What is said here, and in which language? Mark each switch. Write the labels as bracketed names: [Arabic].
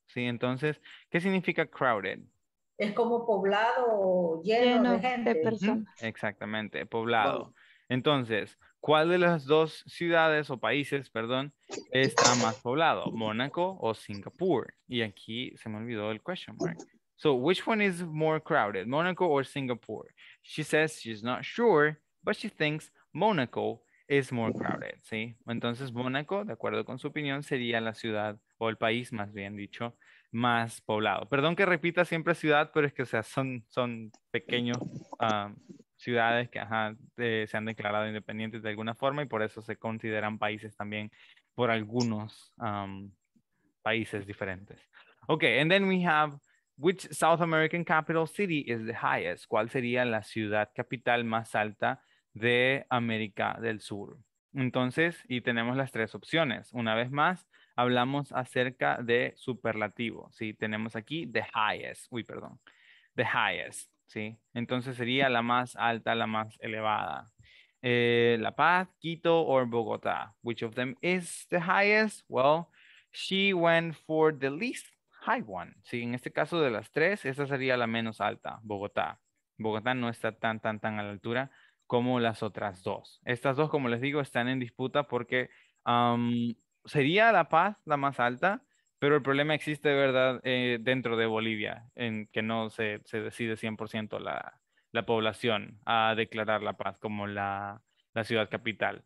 [Spanish] Sí, entonces, ¿qué significa crowded? Es como poblado, lleno de gente. De personas. Exactamente, poblado. Entonces, ¿cuál de las dos ciudades o países, perdón, está más poblado? ¿Mónaco o Singapur? Y aquí se me olvidó el [English] question mark. So, which one is more crowded, Mónaco or Singapur? She says she's not sure, but she thinks Monaco is more crowded, [Spanish] ¿sí? Entonces, Monaco, de acuerdo con su opinión, sería la ciudad, o el país, más bien dicho, más poblado. Perdón que repita siempre ciudad, pero es que, o sea, son pequeños ciudades que se han declarado independientes de alguna forma y por eso se consideran países también por algunos países diferentes. [English] Okay, and then we have, which South American capital city is the highest? [Spanish] ¿Cuál sería la ciudad capital más alta de América del Sur? Entonces, y tenemos las tres opciones. Una vez más, hablamos acerca de superlativo, ¿sí? Tenemos aquí [English] the highest, [Spanish] ¿sí? Entonces sería la más alta, la más elevada. [English] La Paz, Quito, or Bogotá. Which of them is the highest? Well, she went for the least high one. [Spanish] ¿Sí? En este caso de las tres, esa sería la menos alta, Bogotá. Bogotá no está tan a la altura como las otras dos. Estas dos, como les digo, están en disputa porque sería La Paz la más alta, pero el problema existe, ¿verdad?, dentro de Bolivia, en que no se decide 100% la población a declarar La Paz como la ciudad capital.